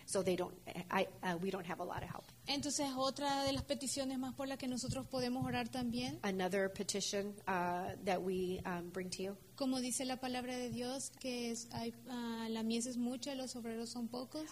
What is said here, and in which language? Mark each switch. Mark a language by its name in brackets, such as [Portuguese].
[English] So they don't, we don't have a lot of help. [Spanish] Entonces otra de las peticiones más por la que nosotros podemos orar también. [English] Another petition that we bring to you. [Spanish] Como dice la palabra de Dios, que es, la mies es mucha, los obreros son pocos.